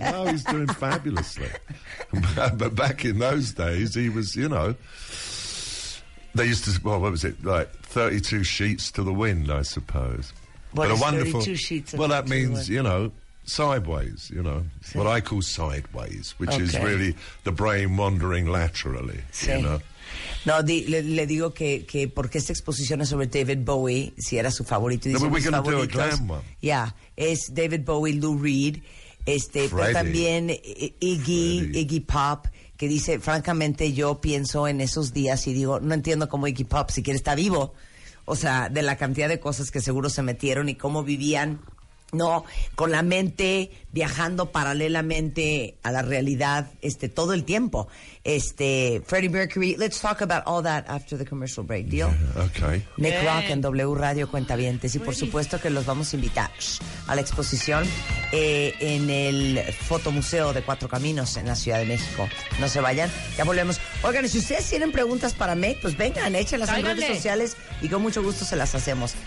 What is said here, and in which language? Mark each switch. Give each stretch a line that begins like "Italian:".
English: No, he's doing fabulously. But back in those days, he was, you know, they used to, well, what was it, like 32 sheets to the wind, I suppose. What a wonderful, 32 sheets? Well, that means, you know, sideways, you know, what I call sideways, which is really the brain wandering laterally, you know.
Spanish: No, le digo que porque esta exposición es sobre David Bowie, si era su favorito. Dice, no,
English: we're gonna do a glam one.
Spanish: Yeah, es David Bowie, Lou Reed, Freddy. Pero también Iggy Pop, que dice, francamente, yo pienso en esos días y digo, no entiendo cómo Iggy Pop siquiera está vivo. O sea, de la cantidad de cosas que seguro se metieron y cómo vivían No, con la mente viajando paralelamente a la realidad, todo el tiempo.
English: Freddie Mercury, let's talk about all that after the commercial break, deal? Yeah, okay.
Spanish: Nick Rock en W Radio Cuentavientes. Y por supuesto que los vamos a invitar a la exposición en el Fotomuseo de Cuatro Caminos en la Ciudad de México. No se vayan, ya volvemos. Oigan, si ustedes tienen preguntas para mí, pues vengan, échenlas en redes sociales y con mucho gusto se las hacemos.